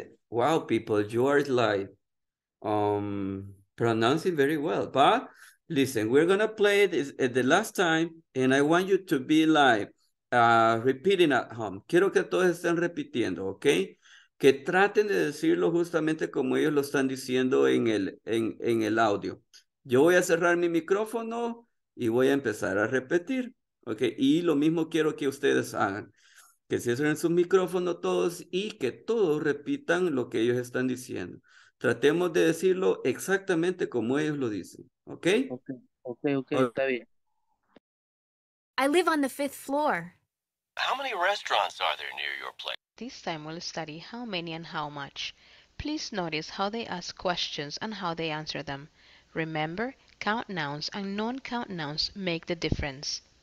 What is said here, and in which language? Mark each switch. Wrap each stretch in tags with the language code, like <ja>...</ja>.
<en>Wow, people, you are like pronouncing very well. But listen, we're going to play this the last time, and I want you to be like repeating at home.</en> <es>Quiero que todos estén repitiendo, okay? Que traten de decirlo justamente como ellos lo están diciendo en el audio. Yo voy a cerrar mi micrófono y voy a empezar a repetir. Okay, y lo mismo quiero que ustedes hagan, que cierren su micrófono todos y que todos repitan lo que ellos están diciendo. Tratemos de decirlo exactamente como ellos lo dicen, ¿okay? Okay, está bien.</es> <en>I live on the 5th floor. How many restaurants are there near your place? This time we'll study how many and how much. Please notice how they ask questions and how they answer them. Remember, count nouns and non-count nouns make the difference.</en>